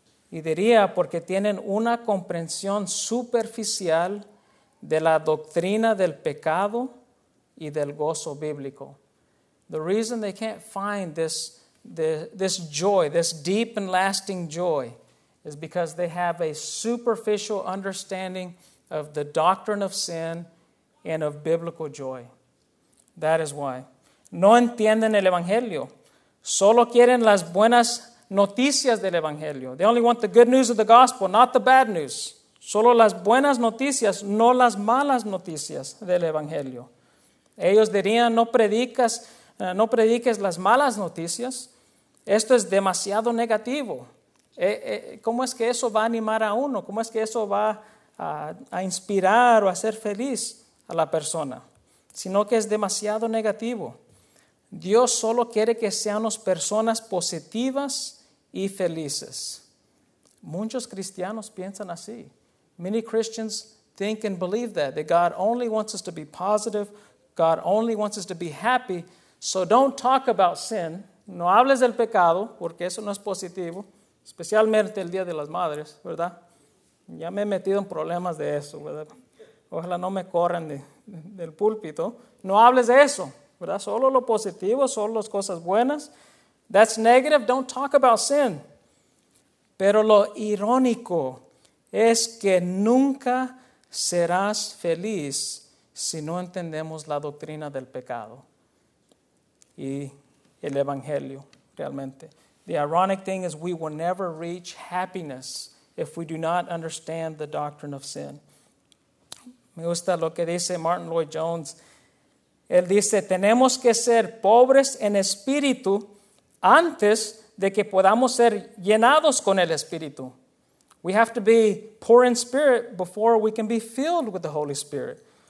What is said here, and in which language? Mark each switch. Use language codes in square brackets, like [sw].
[es] Y diría, porque tienen una comprensión superficial de la doctrina del pecado y del gozo bíblico. [en] The reason they can't find this joy, this deep and lasting joy, is because they have a superficial understanding of the doctrine of sin and of biblical joy. That is why. [es] No entienden el Evangelio. Solo quieren las buenas noticias del Evangelio. [en] They only want the good news of the gospel, not the bad news. [es] Solo las buenas noticias, no las malas noticias del Evangelio. Ellos dirían, no prediques las malas noticias. Esto es demasiado negativo. ¿Cómo es que eso va a animar a uno? ¿Cómo es que eso va a inspirar o a hacer feliz a la persona, sino que es demasiado negativo? Dios solo quiere que seamos personas positivas y felices. Muchos cristianos piensan así. [en] Many Christians think and believe that God only wants us to be positive, God only wants us to be happy, so don't talk about sin, [es] no hables del pecado, porque eso no es positivo, especialmente el Día de las Madres, ¿verdad? Ya me he metido en problemas de eso, ¿verdad? Ojalá no me corran del púlpito. No hables de eso, ¿verdad? Solo lo positivo, solo las cosas buenas. [en] That's negative, don't talk about sin. [es] Pero lo irónico es que nunca serás feliz si no entendemos la doctrina del pecado y el Evangelio realmente. [en] The ironic thing is we will never reach happiness if we do not understand the doctrine of sin. [es] Me gusta lo que dice Martin Lloyd-Jones. Él dice, tenemos que ser pobres en espíritu antes de que podamos ser llenados con el espíritu. [en] We have to be poor in spirit before we can be filled with the Holy Spirit.